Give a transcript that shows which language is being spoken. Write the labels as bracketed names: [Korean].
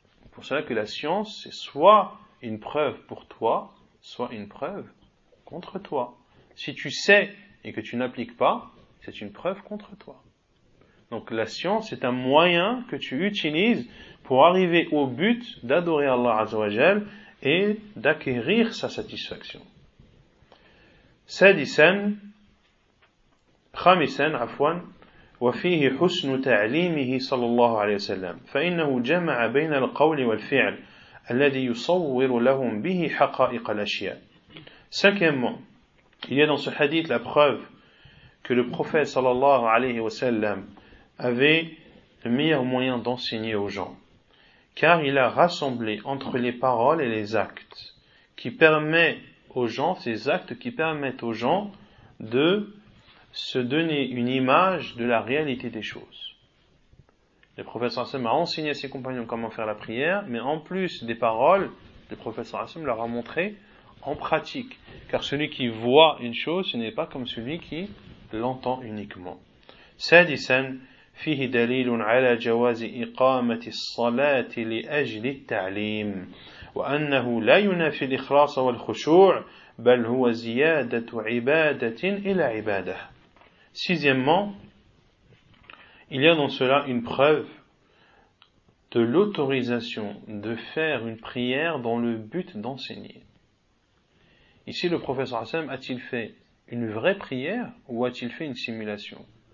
[French] Pour cela que la science, c'est soit une preuve pour toi, soit une preuve contre toi. Si tu sais et que tu n'appliques pas, c'est une preuve contre toi. Donc la science, c'est un moyen que tu utilises pour arriver au but d'adorer Allah Azza wa Jal et d'acquérir sa satisfaction. [Arabic] Sadisan, khamisan, afwan, وفيه حسن تعليمه صلى الله عليه وسلم فإنه جمع بين القول والفعل الذي يصور لهم به حقائق الأشياء. [French] Cinquièmement, il y a dans ce hadith la preuve que le prophète صلى الله عليه وسلم avait le meilleur moyen d'enseigner aux gens, car il a rassemblé entre les paroles et les actes qui permet aux gens, ces actes qui permettent aux gens de se donner une image de la réalité des choses. Le professeur Hassam a enseigné à ses compagnons comment faire la prière, mais en plus des paroles, le professeur Hassam leur a montré en pratique. Car celui qui voit une chose, ce n'est pas comme celui qui l'entend uniquement. [Arabic] Sadisan, فيه دليل على جواز إقامة الصلاة لأجل التعليم وأنه لا ينافي الإخلاص والخشوع بل هو زيادة عبادة إلى عبادة. [French] Sixièmement, il y a dans cela une preuve de l'autorisation de faire une prière dans le but d'enseigner. Ici, le professeur Hassam a-t-il fait une vraie prière ou a-t-il fait une simulation?